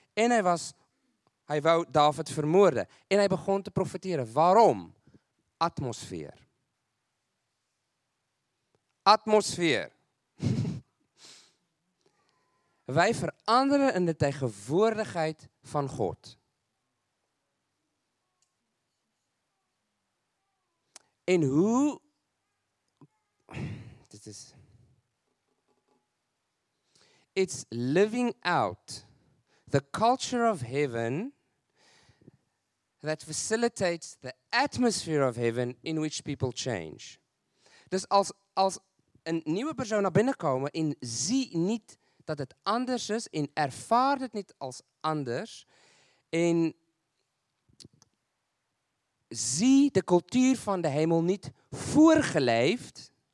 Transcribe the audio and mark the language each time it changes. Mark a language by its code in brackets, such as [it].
[nl] En hij wou David vermoorden. En hij begon te profeteren. Waarom? Atmosfeer. Atmosfeer. Wij veranderen in de tegenwoordigheid van God. En hoe, dit is, [en] it's living out the culture of heaven that facilitates the atmosphere of heaven in which people change. [nl] Dus als een nieuwe persoon naar binnen komen en zie niet dat het anders is en ervaart het niet als anders en zie de cultuur van de hemel niet voorgeleefd.